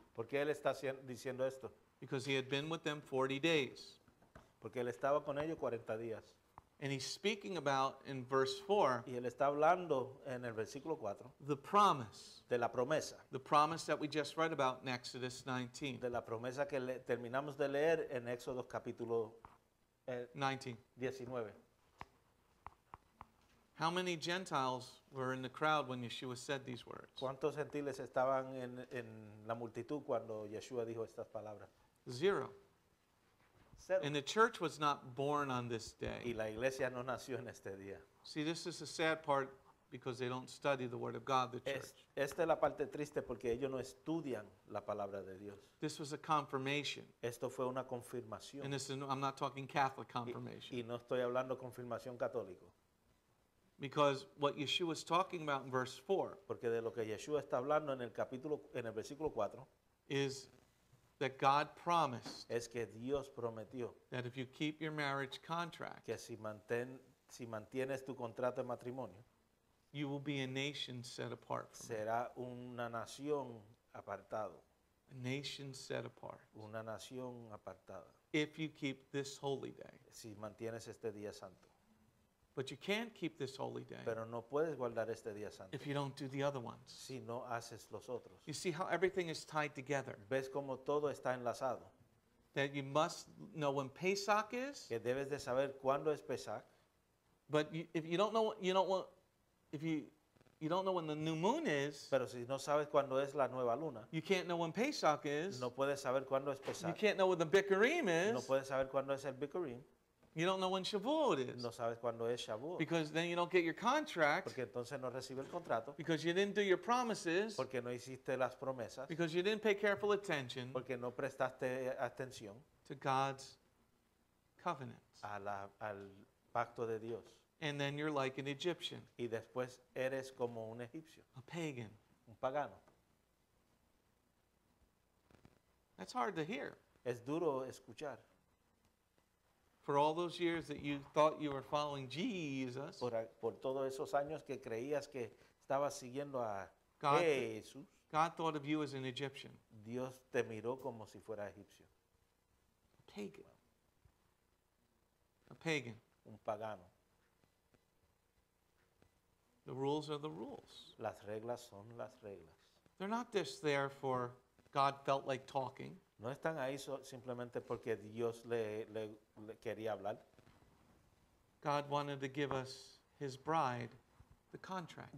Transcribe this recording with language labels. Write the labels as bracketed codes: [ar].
[es] ¿Por qué él está diciendo esto? [en] Because he had been with them 40 days. [es] Porque él estaba con ellos 40 días. [en] And he's speaking about in verse 4. [es] Y él está hablando en el versículo 4. [en] The promise. [es] De la promesa. [en] The promise that we just read about in Exodus 19. [es] De la promesa que terminamos de leer en Éxodo capítulo 19. [en] How many Gentiles were in the crowd when Yeshua said these words? [es] ¿Cuántos gentiles estaban en la multitud cuando Yeshua dijo estas palabras? [en] Zero. And the church was not born on this day. [es] Y la iglesia no nació en este día. [en] See, this is the sad part because they don't study the word of God, the church. [es] Esta es la parte triste porque ellos no estudian la palabra de Dios. [en] This was a confirmation. [es] Esto fue una confirmación. [en] And this is, I'm not talking Catholic confirmation. [es] Y no estoy hablando confirmación católico. [en] Because what Yeshua is talking about in verse 4, [es] porque de lo que Yeshua está hablando en el capítulo, en el versículo 4, [en] is that God promised. [es] Es que Dios prometió. [en] That if you keep your marriage contract, [es] que si mantienes tu contrato de matrimonio, [en] you will be a nation set apart. [es] Será una nación apartado. [en] A nation set apart. [es] Una nación apartada. [en] If you keep this holy day. [es] Si mantienes este día santo. [en] But you can't keep this holy day. [es] Pero no puedes guardar este día santo. [en] If you don't do the other ones. [es] Si no haces los otros. [en] You see how everything is tied together. [es] Ves como todo está enlazado. [en] That you must know when Pesach is. [es] Que debes de saber cuándo es Pesach. [en] But if you don't know when the new moon is, [es] pero si no sabes cuándo es la nueva luna, [en] you can't know when Pesach is. [es] No puedes saber cuándo es Pesach. [en] You can't know when the Bikurim is. [es] No puedes saber cuándo es el Bikurim. [en] You don't know when Shavuot is. [es] No sabes cuándo es Shavuot. [en] Because then you don't get your contract. [es] Porque entonces no recibes el contrato. [en] Because you didn't do your promises. [es] Porque no hiciste las promesas. [en] Because you didn't pay careful attention. [es] Porque no prestaste atención. [en] To God's covenant. [es] Al pacto de Dios. [en] And then you're like an Egyptian. [es] Y después eres como un egipcio. [en] A pagan. [es] Un pagano. [en] That's hard to hear. [es] Es duro escuchar. [en] For all those years that you thought you were following Jesus. [es] Por todos esos años que creías que estabas siguiendo a Jesús. [en] God thought of you as an Egyptian. [es] Dios te miró como si fuera egipcio. [en] A pagan. A pagan. [es] Un pagano. [en] The rules are the rules. [es] Las reglas son las reglas. [en] They're not just there for God felt like talking. [es] No están ahí simplemente porque Dios le quería hablar. [en] God wanted to give us his bride, the contract.